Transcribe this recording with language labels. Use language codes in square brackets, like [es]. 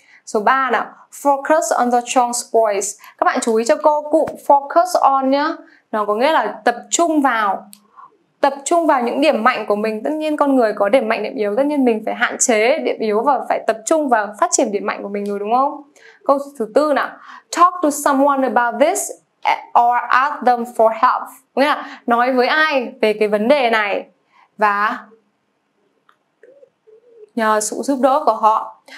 [vi] Số 3 nào, [en] focus on the strong points. [vi] Các bạn chú ý cho cô cụm focus on nhé. Nó có nghĩa là tập trung vào, tập trung vào những điểm mạnh của mình. Tất nhiên con người có điểm mạnh, điểm yếu. Tất nhiên mình phải hạn chế điểm yếu và phải tập trung vào phát triển điểm mạnh của mình rồi, đúng không? Câu thứ tư nào. [en] Talk to someone about this or ask them for help. [vi] Nghĩa là nói với ai về cái vấn đề này và nhờ sự giúp đỡ của họ.